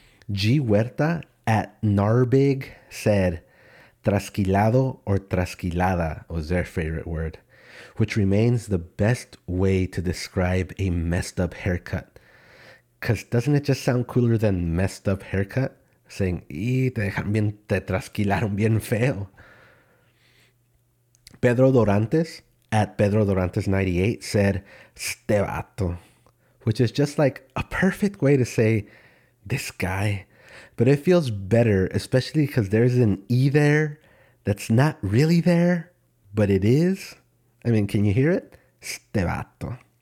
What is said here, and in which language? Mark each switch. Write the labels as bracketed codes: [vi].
[en] G Huerta at Narbig said, trasquilado or trasquilada was their favorite word, which remains the best way to describe a messed up haircut. Because doesn't it just sound cooler than messed up haircut? [es] Sí, y te dejan bien, te trasquilaron bien feo. [en] Pedro Dorantes, at Pedro Dorantes 98, said, [es] "Este vato," [en] which is just like a perfect way to say this guy. But it feels better, especially because there's an E there that's not really there, but it is. I mean, can you hear it? [es] Este vato.